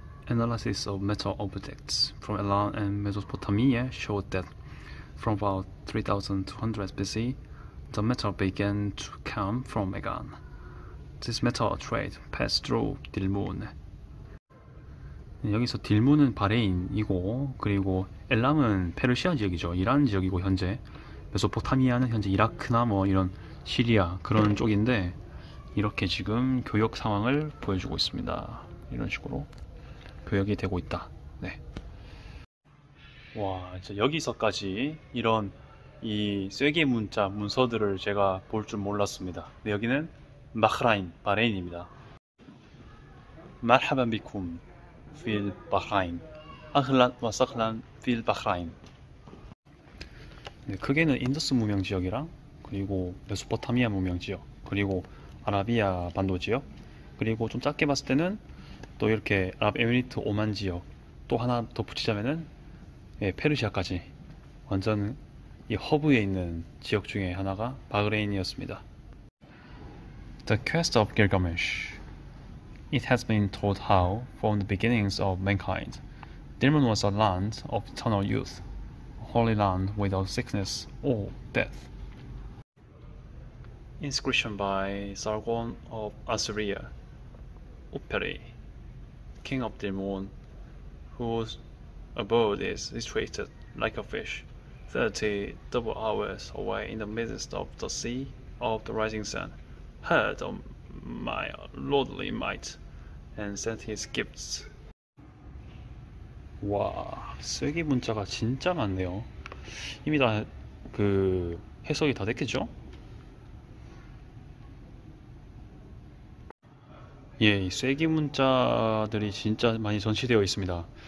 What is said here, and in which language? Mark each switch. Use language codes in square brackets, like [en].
[en] Analysis of metal objects from Iran and Mesopotamia showed that from about 3200 BC, the metal began to come from Megan. This metal trade passed through Dilmun. [ko] 여기서 딜문은 바레인이고, 그리고 엘람은 페르시아 지역이죠. 이란 지역이고, 현재 메소포타미아는 현재 이라크나 뭐 이런 시리아 그런 쪽인데, 이렇게 지금 교역 상황을 보여주고 있습니다. 이런 식으로 교역이 되고 있다. 네. 와, 이제 여기서까지 이런 이 쇠기 문자 문서들을 제가 볼 줄 몰랐습니다. 네, 여기는 마흐라인, 바레인입니다. [ar] 마르하반 비쿰 필 바흐라인. 아흘란 와 사흘란 필 바흐라인. [ko] 네, 크게는 인더스 문명 지역이랑 그리고 메소포타미아 문명 지역, 그리고 아라비아 반도 지역, 그리고 좀 작게 봤을 때는 또 이렇게 아랍에미리트 오만 지역, 또 하나 더 붙이자면은 예, 페르시아까지 완전 이 허브에 있는 지역 중에 하나가 바흐레인이었습니다. [en] The quest of Gilgamesh. It has been told how, from the beginnings of mankind, Dilmun was a land of eternal youth, a holy land without sickness or death. Inscription by Sargon of Assyria. Upperi, king of Dilmun, whose abode is situated like a fish, 30 double hours away in the midst of the sea of the rising sun, heard of my lordly might and sent his gifts. [ko] 와, 쓰기 문자가 진짜 많네요. 이미 다그 해석이 다 됐겠죠? 예, 쓰기 문자들이 진짜 많이 전시되어 있습니다.